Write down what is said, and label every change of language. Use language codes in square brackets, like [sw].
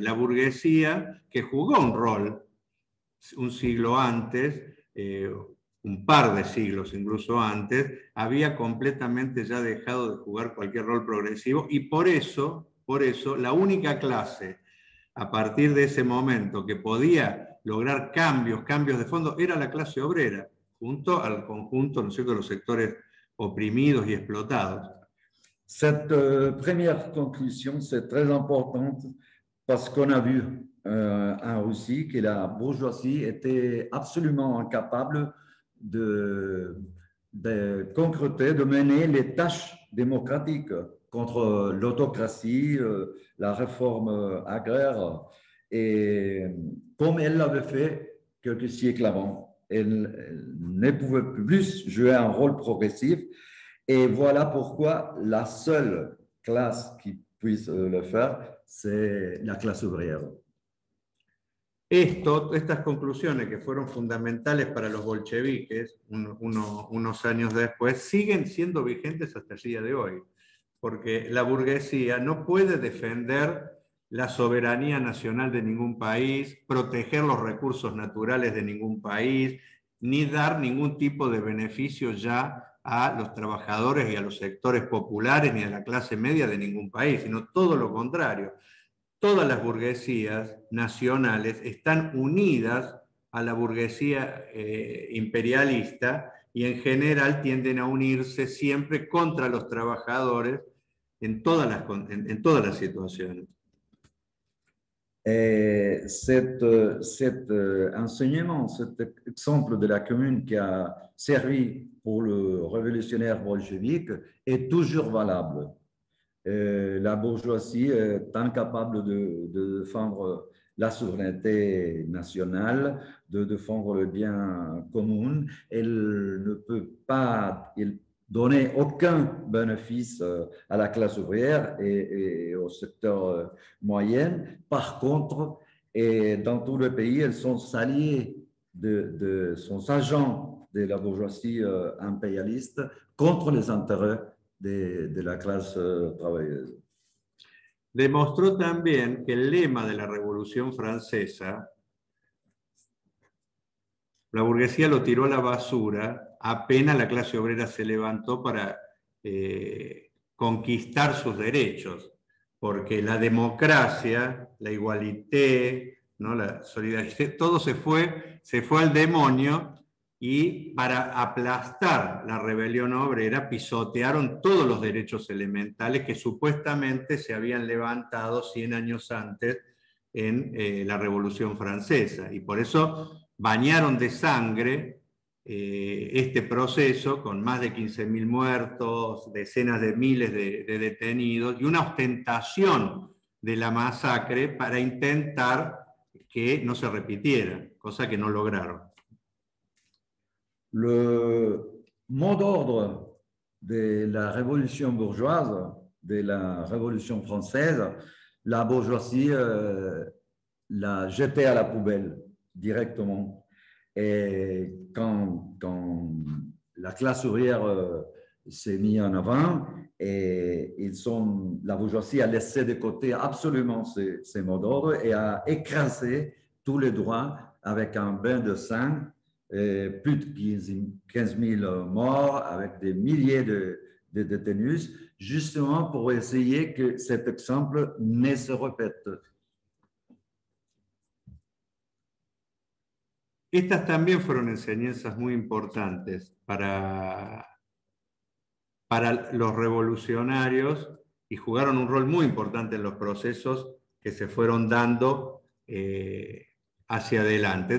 [es] La burguesía, que jugó un rol un siglo antes, un par de siglos incluso antes, había completamente ya dejado de jugar cualquier rol progresivo y por eso, la única clase a partir de ese momento que podía lograr cambios de fondo, era la clase obrera, junto al conjunto, ¿no es cierto?, de los sectores oprimidos y explotados. [fr] Cette première [es] conclusión es [fr] très importante parce qu'on a vu en Russie que la bourgeoisie était absolument incapable de concrétiser, de mener les tâches démocratiques contre l'autocratie, la réforme agraire. Et comme elle l'avait fait quelques siècles avant, elle ne pouvait plus jouer un rôle progressif. Et voilà pourquoi la seule classe qui puisse le faire, c'est la classe ouvrière. [es] Estas conclusiones que fueron fundamentales para los bolcheviques unos años después siguen siendo vigentes hasta el día de hoy, porque la burguesía no puede defender la soberanía nacional de ningún país, proteger los recursos naturales de ningún país, ni dar ningún tipo de beneficio ya a los trabajadores y a los sectores populares ni a la clase media de ningún país, sino todo lo contrario. Todas las burguesías nacionales están unidas a la burguesía imperialista y en general tienden a unirse siempre contra los trabajadores en todas las situaciones. [fr] Cet enseignement, cet exemple de la commune qui a servi pour le révolutionnaire bolchevique est toujours valable. La bourgeoisie est incapable de défendre la souveraineté nationale, de défendre le bien commun. Elle ne peut pas donner aucun bénéfice à la classe ouvrière et au secteur moyen. Par contre, et dans tout le pays, elles sont alliées de son agent de la bourgeoisie impérialiste contre les intérêts de la clase travailleuse. [es] Demostró también que el lema de la Revolución Francesa, la burguesía lo tiró a la basura apenas la clase obrera se levantó para conquistar sus derechos, porque la democracia, la igualité, ¿no? La solidaridad, todo se fue al demonio. Y para aplastar la rebelión obrera pisotearon todos los derechos elementales que supuestamente se habían levantado 100 años antes en la Revolución Francesa. Y por eso bañaron de sangre este proceso con más de 15.000 muertos, decenas de miles de detenidos y una ostentación de la masacre para intentar que no se repitiera, cosa que no lograron. [fr] Le mot d'ordre de la révolution bourgeoise, de la révolution française, la bourgeoisie l'a jeté à la poubelle directement. Et quand la classe ouvrière s'est mise en avant, et la bourgeoisie a laissé de côté absolument ces mots d'ordre et a écrasé tous les droits avec un bain de sang. Et plus de 15 000 morts avec des milliers de détenus, justement pour essayer que cet exemple ne se répète. [es] Estas también fueron enseñanzas muy importantes para los revolucionarios y jugaron un rol muy importante en los procesos que se fueron dando hacia adelante.